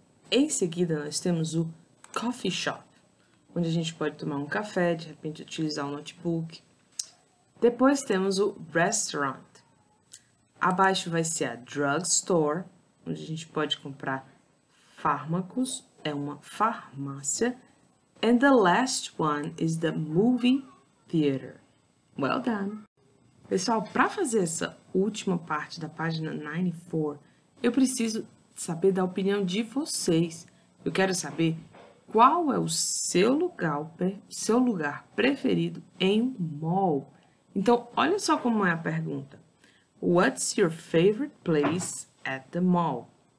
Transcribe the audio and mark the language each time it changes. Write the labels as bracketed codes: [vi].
[pt] Em seguida, nós temos o coffee shop, onde a gente pode tomar um café, de repente utilizar um notebook. Depois temos o restaurant. Abaixo vai ser a drugstore, onde a gente pode comprar fármacos, é uma farmácia. [en] And the last one is the movie theater. Well done! [pt] Pessoal, para fazer essa última parte da página 94, eu preciso saber da opinião de vocês. Eu quero saber qual é o seu lugar preferido em um mall. Então, olha só como é a pergunta. [en] What's your favorite place at the mall?